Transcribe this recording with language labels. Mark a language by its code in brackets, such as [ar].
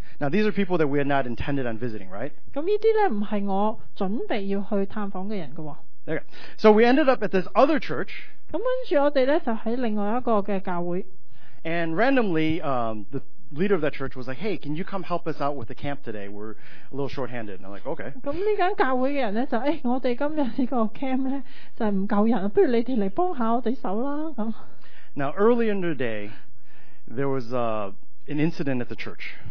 [en] Now, these are people that we had not intended on visiting, right? [yue] 咁呢啲呢，唔係我準備要去探訪嘅人㗎喎。 [en] Okay. So we ended up at this other church. [yue] 咁跟住我哋呢，就喺另外一個嘅教會。 [en] And randomly, the leader of that church was like, hey, can you come help us out with the camp today? We're a little short-handed. And I'm like, okay. [yue] 咁呢間教會嘅人呢，就，我哋今日呢個camp呢，就唔夠人，不如你哋嚟幫下我哋手啦。咁 [en] Now, early in the day, there was an incident at the church.